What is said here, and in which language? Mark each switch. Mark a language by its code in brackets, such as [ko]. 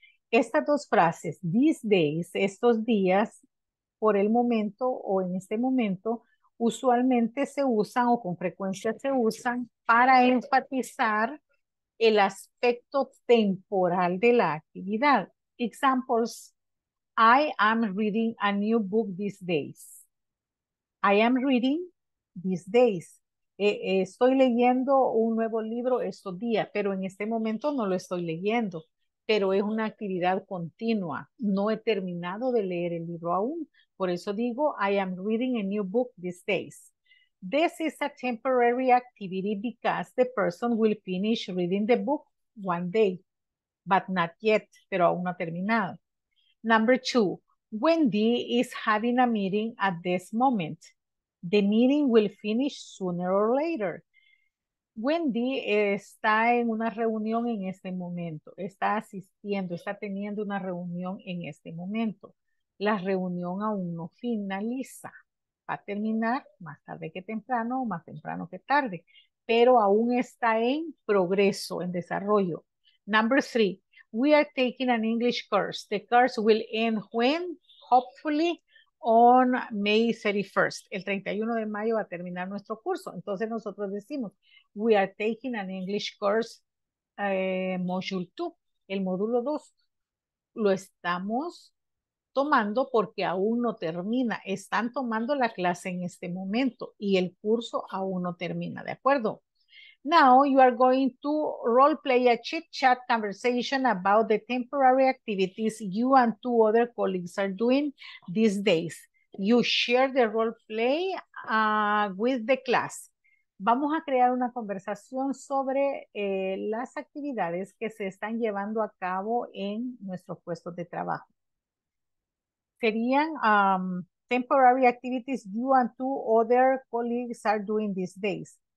[es] Estas dos frases, [en] these days, [es] estos días, por el momento o en este momento, usualmente se usan o con frecuencia se usan para enfatizar el aspecto temporal de la actividad. [en] Examples, I am reading a new book these days. I am reading these days. [es] Estoy leyendo un nuevo libro estos días, pero en este momento no lo estoy leyendo, pero es una actividad continua. No he terminado de leer el libro aún. Por eso digo, [en] I am reading a new book these days. This is a temporary activity because the person will finish reading the book one day, but not yet, [es] pero aún no ha terminado. [en] Number two, Wendy is having a meeting at this moment. The meeting will finish sooner or later. [es] Wendy está en una reunión en este momento. Está asistiendo, está teniendo una reunión en este momento. La reunión aún no finaliza. Va a terminar más tarde que temprano o más temprano que tarde. Pero aún está en progreso, en desarrollo. [en] Number three, we are taking an English course. The course will end when, hopefully, on May 31st, [es] el 31 de mayo va a terminar nuestro curso. Entonces nosotros decimos, [en] we are taking an English course, module 2, [es] el módulo 2. Lo estamos tomando porque aún no termina. Están tomando la clase en este momento y el curso aún no termina, ¿de acuerdo? [en] Now you are going to role play a chit chat conversation about the temporary activities you and two other colleagues are doing these days. You share the role play with the class. [es] Vamos a crear una conversación sobre las actividades que se están llevando a cabo en nuestros puestos de trabajo. Serían [en] temporary activities you and two other colleagues are doing these days.